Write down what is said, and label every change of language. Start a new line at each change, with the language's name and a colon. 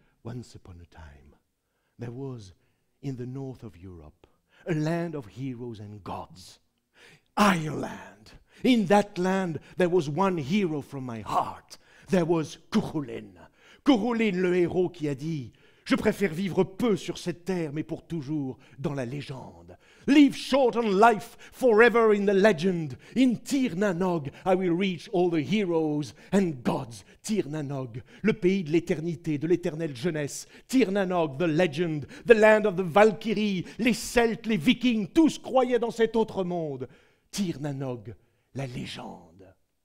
English: Once upon a time, there was in the north of Europe a land of heroes and gods. Ireland. In that land, there was one hero from my heart. There was Cuchulain.
French: Cuchulain, le héros qui a dit, « Je préfère vivre peu sur cette terre, mais pour toujours dans la légende.
English: Live short on life, forever in the legend. In Tir na n'og, I will reach all the heroes and gods.
French: Tir na n'og, le pays de l'éternité, de l'éternelle jeunesse. Tir na n'og,
English: the legend, the land of the Valkyrie,
French: les Celtes, les Vikings, tous croyaient dans cet autre monde. » Tir na n'og, la légende.